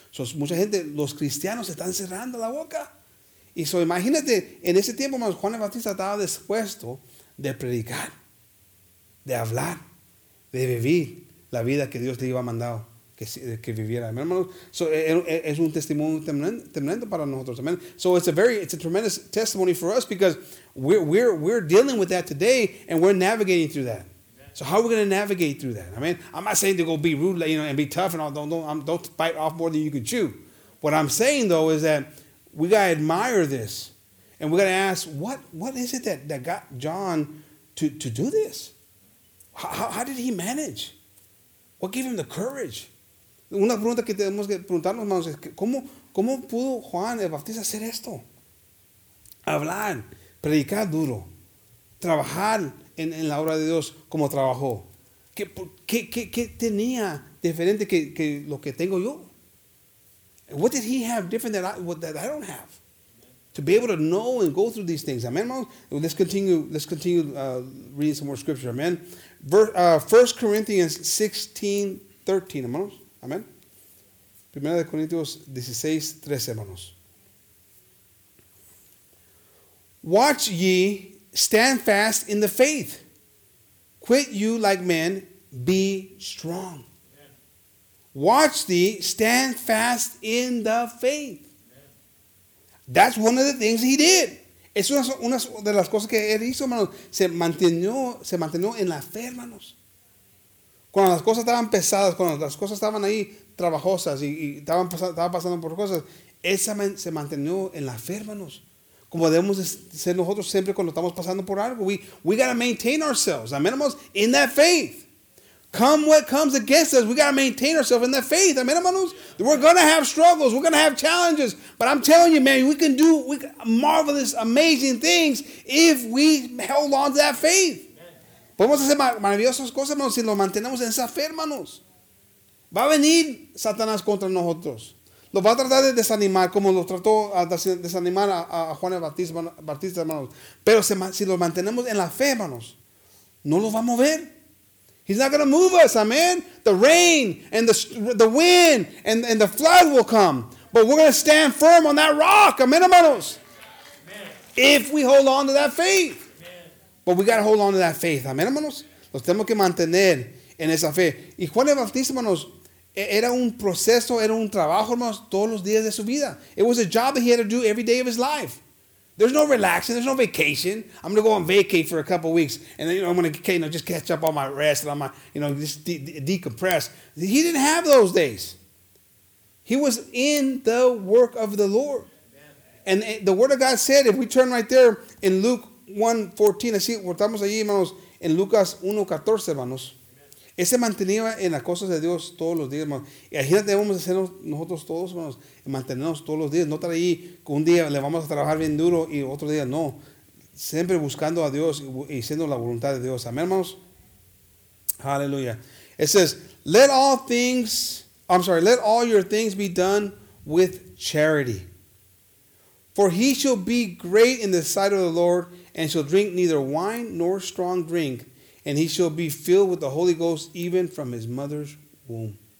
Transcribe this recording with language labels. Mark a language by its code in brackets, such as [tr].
[es] So, mucha gente, los cristianos, se están cerrando la boca. Y so, imagínate, en ese tiempo, Juan el Bautista estaba dispuesto de predicar, de hablar, de vivir la vida que Dios le iba a mandar que viviera. So es un testimonio tremendo para nosotros. [en] So it's a tremendous testimony for us because we're dealing with that today and we're navigating through that. So how are we going to navigate through that? I mean, I'm not saying to go be rude, you know, and be tough and all. Don't bite off more than you can chew. What I'm saying though is that we got to admire this, and we got to ask what is it that got John to do this? How did he manage? What gave him the courage? [es] Una pregunta que tenemos que preguntarnos, hermanos, es cómo pudo Juan el Bautista hacer esto? Hablar, predicar duro, trabajar en la obra de Dios como trabajó. ¿Qué tenía diferente que lo que tengo yo? [en] What did he have different that I don't have? To be able to know and go through these things. Amen, hermanos? Let's continue reading some more scripture. Amen. 1 Corinthians 16:13, hermanos. Amen. 1 Corinthians 16:13, hermanos. Watch ye, stand fast in the faith. Quit you like men, be strong. Watch thee, stand fast in the faith. That's one of the things he did. [es] Es una de las cosas que él hizo, hermanos. Se mantenió en la fe, hermanos. Cuando las cosas estaban pesadas, cuando las cosas estaban ahí trabajosas y estaba pasando por cosas, él se mantenió en la fe, hermanos. Como debemos ser nosotros siempre cuando estamos pasando por algo. [en] We got to maintain ourselves, amen, hermanos, in that faith. Come what comes against us, we got to maintain ourselves in that faith, amen, hermanos. We're going to have struggles, we're going to have challenges. But I'm telling you, man, we can marvelous, amazing things if we hold on to that faith. [es] Podemos hacer maravillosas cosas, hermanos, si lo mantenemos en esa fe, hermanos. Va a venir Satanás contra nosotros. Lo va a tratar de desanimar, como lo trató de desanimar a Juan el Bautista, hermanos. Pero si lo mantenemos en la fe, hermanos, no lo va a mover. [en] He's not going to move us, amen. The rain and the wind and the flood will come. But we're going to stand firm on that rock, amen, hermanos. If we hold on to that faith. Amen. But we got to hold on to that faith, amen, hermanos. [es] Los tenemos que mantener en esa fe. Y Juan el Bautista, hermanos, era un proceso, era un trabajo, hermanos, todos los días de su vida. [en] It was a job that he had to do every day of his life. There's no relaxing, there's no vacation. I'm going to go on vacation for a couple of weeks, and then, you know, I'm going to, you know, just catch up on my rest and on my, you know, just decompress. He didn't have those days. He was in the work of the Lord. And the Word of God said, if we turn right there in Luke 1:14, [es] así, estamos allí, hermanos, en Lucas 1:14, hermanos. Ese mantenía en las cosas de Dios todos los días, hermanos. Imagínate, debemos hacer nosotros todos, hermanos, mantenernos todos los días. No estar ahí que un día le vamos a trabajar bien duro y otro día no. Siempre buscando a Dios y siendo la voluntad de Dios. Amén, hermanos. Aleluya. [en] It says, let all your things be done with charity. For he shall be great in the sight of the Lord and shall drink neither wine nor strong drink. And he shall be filled with the Holy Ghost even from his mother's womb.